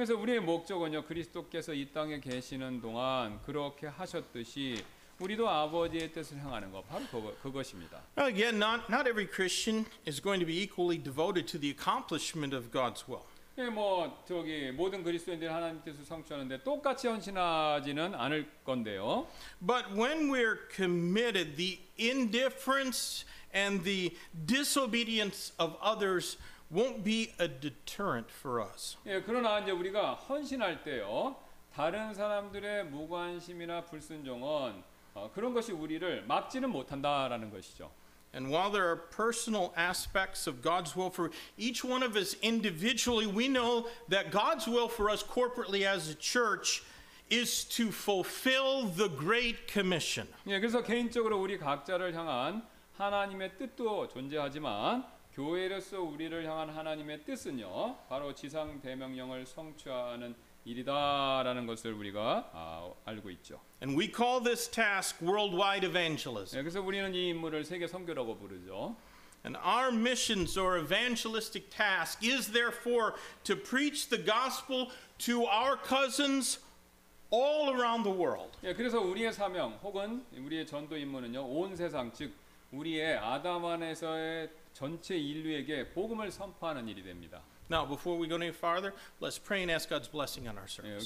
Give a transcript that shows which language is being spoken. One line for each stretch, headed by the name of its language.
Korean: 그래서 우리의 목적은요 그리스도께서 이 땅에 계시는 동안 그렇게 하셨듯이. 우리도 아버지의 뜻을 행하는 것 바로 그것입니다.
English: Again, not every Christian is going to be equally devoted to the accomplishment of God's will.
Korean: 예, 뭐 저기 모든 그리스도인들이 하나님 뜻을 성취하는데 똑같이 헌신하지는 않을 건데요.
English: But when we're committed, the indifference and the disobedience of others won't be a deterrent for us.
Korean: 예, 그러나 이제 우리가 헌신할 때요, 다른 사람들의 무관심이나 불순종은 그런 것이 우리를 막지는 못한다라는 것이죠.
English: And while there are personal aspects of God's will for each one of us individually, we know that God's will for us corporately as a church is to fulfill the Great Commission.
Korean: 예, 그래서 개인적으로 우리 각자를 향한 하나님의 뜻도 존재하지만 교회로서 우리를 향한 하나님의 뜻은요, 바로 지상 대명령을 성취하는 일이다라는 것을 우리가 알고 있죠.
English: And we call this task worldwide evangelism.
Korean: 그래서 우리는 이 임무를 세계 선교라고 부르죠.
English: And our missions or evangelistic task is therefore to preach the gospel to our cousins all around the world.
Korean: 그래서 우리의 사명 혹은 우리의 전도 임무는요, 온 세상 즉 우리의 아담 안에서의 전체 인류에게 복음을 선포하는 일이 됩니다.
English: Now, before we go any farther, let's pray and ask God's blessing on our service.